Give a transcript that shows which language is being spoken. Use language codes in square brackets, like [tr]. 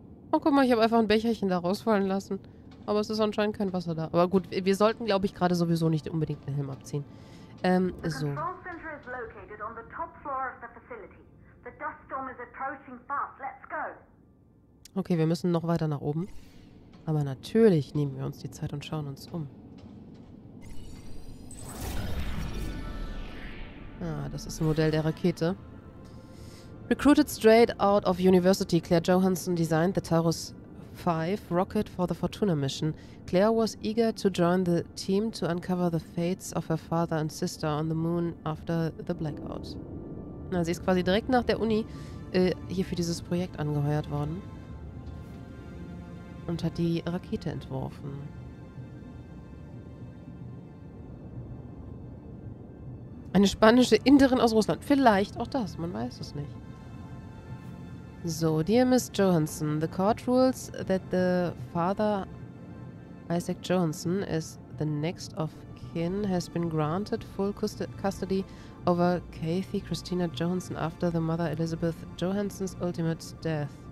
[de] Oh, guck mal, ich habe einfach ein Becherchen da rausfallen lassen. Aber es ist anscheinend kein Wasser da. Aber gut, wir sollten, glaube ich, gerade sowieso nicht unbedingt den Helm abziehen. So. [en] The control center is located on the top floor of the facility. The dust storm is approaching fast. Let's go. [de] Okay, wir müssen noch weiter nach oben. Aber natürlich nehmen wir uns die Zeit und schauen uns um. Ah, das ist ein Modell der Rakete. [en] Recruited straight out of university, Claire Johansson designed the Taurus 5 rocket for the Fortuna mission. Claire was eager to join the team to uncover the fates of her father and sister on the moon after the blackout. [de] Na, sie ist quasi direkt nach der Uni hier für dieses Projekt angeheuert worden. Und hat die Rakete entworfen. Eine spanische Inderin aus Russland. Vielleicht auch das, man weiß es nicht. [en] So, dear Miss Johansson, the court rules that the father, Isaac Johansson, is the next of kin, has been granted full custody over Kathy Christina Johansson after the mother Elizabeth Johansson's ultimate death.